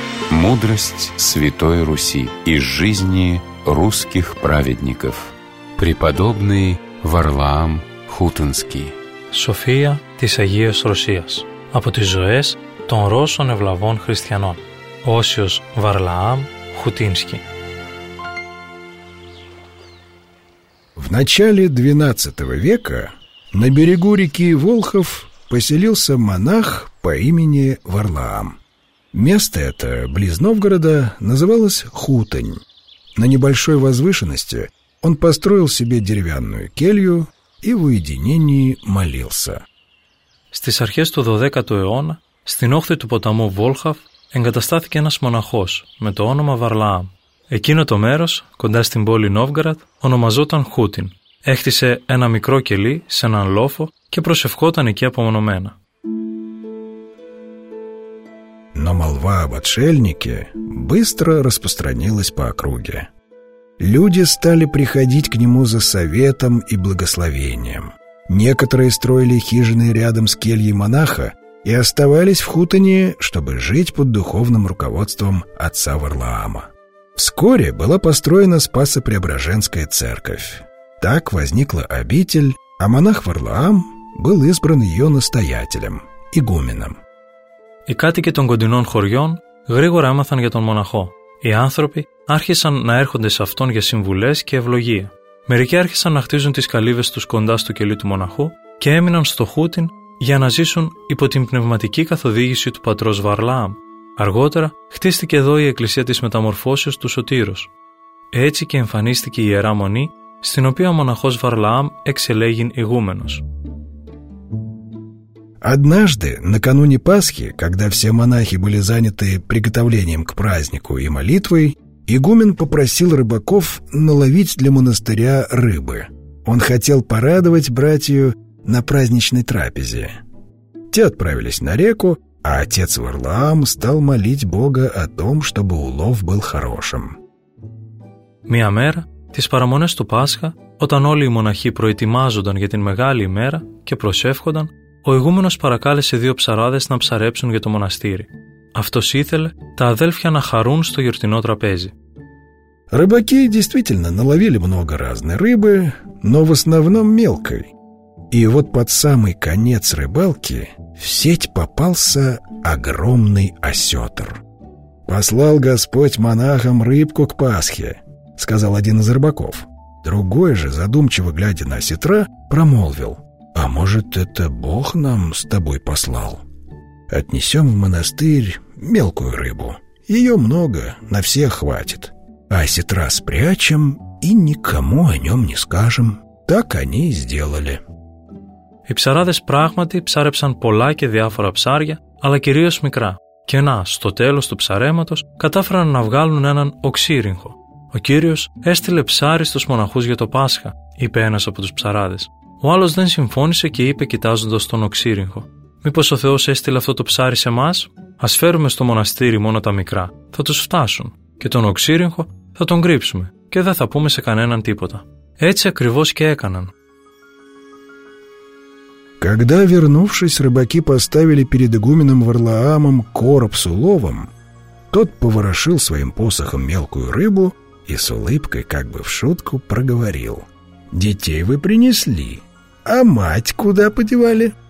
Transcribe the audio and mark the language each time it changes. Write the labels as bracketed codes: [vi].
[ru] Мудрость Святой Руси из жизни русских праведников. Преподобный Варлаам Хутынский. [el] Σοφία της Αγίας Ρωσίας από τις ζωές των Ρώσων ευλαβών χριστιανών. Όσιος Βαρλαάμ Χουτίνσκι. [ru] В начале 12 века на берегу реки Волхов поселился монах по имени Варлаам. Место это, близ Новгорода, называлось Хутынь. На небольшой возвышенности он построил себе деревянную келью и в уединении молился. [el] Στις αρχές του 12ου αιώνα, στην όχθη του ποταμού Βόλχαφ, εγκαταστάθηκε ένας μοναχός με το όνομα Βαρλάαμ. Εκείνο το μέρος, κοντά στην πόλη Νόβγκαραντ, ονομαζόταν Χούτιν. Έχτισε ένα μικρό κελί σε έναν λόφο και προσευχόταν εκεί απομονωμένα. [ru] Но молва об отшельнике быстро распространилась по округе. Люди стали приходить к нему за советом и благословением. Некоторые строили хижины рядом с кельей монаха и оставались в хутоне, чтобы жить под духовным руководством отца Варлаама. Вскоре была построена Спасо-Преображенская церковь. Так возникла обитель, а монах Варлаам был избран ее настоятелем, игуменом. [el] Οι κάτοικοι των κοντινών χωριών γρήγορα έμαθαν για τον μοναχό. Οι άνθρωποι άρχισαν να έρχονται σε αυτόν για συμβουλές και ευλογία. Μερικοί άρχισαν να χτίζουν τις καλύβες τους κοντά στο κελί του μοναχού και έμειναν στο Χούτιν για να ζήσουν υπό την πνευματική καθοδήγηση του πατρός Βαρλάαμ. Αργότερα χτίστηκε εδώ η εκκλησία της Μεταμορφώσεως του Σωτήρος. Έτσι και εμφανίστηκε η Ιερά Μονή, στην οποία ο μοναχός Βαρλάαμ εξελέγει ηγούμενος. [ru] Однажды, накануне Пасхи, когда все монахи были заняты приготовлением к празднику и молитвой, игумен попросил рыбаков наловить для монастыря рыбы. Он хотел порадовать братью на праздничной трапезе. Те отправились на реку, а отец Варлаам стал молить Бога о том, чтобы улов был хорошим. [el] Мия мера, тис парамонес ту Пасха, όταν όλοι οι μοναχοί προετοιμάζονταν για την μεγάλη ημέρα και προσεύχονταν, ο ηγούμενος παρακάλεσε δύο ψαράδες να ψαρέψουν για το μοναστήρι. Αυτός ήθελε τα αδέλφια να χαρούν στο γιορτινό τραπέζι. [ru] Рыбаки действительно наловили много разной рыбы, но в основном мелкой. И вот под самый конец рыбалки в сеть попался огромный осетр. «Послал Господь монахам рыбку к Пасхе», — сказал один из рыбаков. Другой же, задумчиво глядя на осетра, промолвил: «А может, это Бог нам с тобой послал? Отнесем в монастырь мелкую рыбу. Ее много, на всех хватит. А сетра спрячем и никому о нем не скажем». Так они и сделали. [el] Οι ψαράδες πράγματι ψάρεψαν πολλά και διάφορα ψάρια, αλλά κυρίως μικρά. Και να, στο τέλος του ψαρέματος, κατάφεραν να βγάλουν έναν οξύριγχο. Ο Κύριος έστειλε ψάρι στους μοναχούς για το Πάσχα, είπε ένας από τους ψαράδες. Ο άλλος δεν συμφώνησε και είπε κοιτάζοντας τον οξύριγχο: Μήπως ο Θεός έστειλε αυτό το ψάρι σε εμάς? Ας φέρουμε στο μοναστήρι μόνο τα μικρά, θα τους φτάσουν. Και τον οξύριγχο θα τον κρύψουμε και δεν θα πούμε σε κανέναν τίποτα. Έτσι ακριβώς και έκαναν. [ru] Когда, вернувшись, рыбаки поставили перед игуменом Варлаамом короб с уловом, тот поворошил своим посохом мелкую рыбу и с улыбкой, как бы в шутку, проговорил: «Детей вы принесли, а мать куда подевали?»